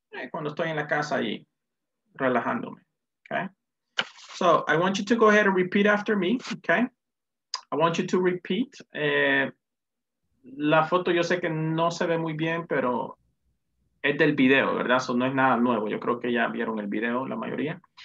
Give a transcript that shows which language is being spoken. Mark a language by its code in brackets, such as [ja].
[es] Cuando estoy en la casa ahí, relajándome, okay? [en] So I want you to go ahead and repeat after me, okay? I want you to repeat. [es] La foto yo sé que no se ve muy bien, pero es del video, ¿verdad? So no es nada nuevo. Yo creo que ya vieron el video, la mayoría.